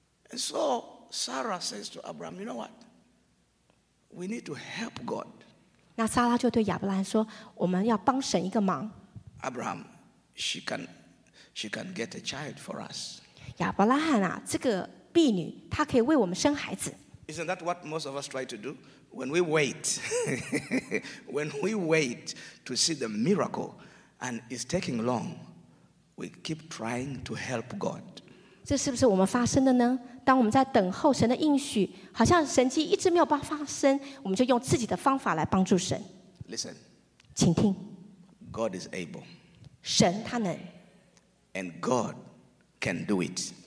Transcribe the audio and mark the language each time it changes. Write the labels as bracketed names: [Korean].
[English] And so Sarah says to Abraham, "You know what? We need to help God." [Chinese] 那撒拉就对亚伯拉罕说，我们要帮神一个忙。 [English] Abraham, she can get a child for us. [Chinese] 亚伯拉罕啊，这个婢女，她可以为我们生孩子。 [English] Isn't that what most of us try to do when we wait? When we wait to see the miracle, and it's taking long, we keep trying to help God. [Chinese] 这是不是我们发生的呢？当我们在等候神的应许，好像神迹一直没有办法发生，我们就用自己的方法来帮助神。 [English] Listen. [Chinese] 请听。 [English] God is able. [Chinese] 神他能。 [English] And God can do it.